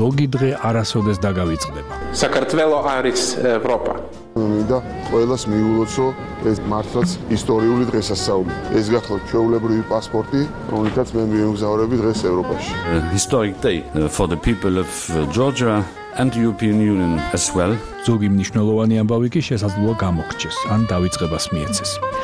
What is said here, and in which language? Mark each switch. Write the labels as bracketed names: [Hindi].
[Georgian] დღე არასოდეს დაგავიწყდება. საქართველო არის ევროპა. მინდა ყოველას მიულოცო ეს მართლაც ისტორიული დღესასწაული. ეს გახლავთ ჩვეულებრივი პასპორტი, რომელიცაც მე მიემგზავრები დღეს ევროპაში. [English] Historic day for the people of Georgia and the European Union as well. [Georgian] ზოგი მნიშვნელოვანი ამბავი კი შესაძლოა გამოგჩეს ან დაიწყებას მიეცეს.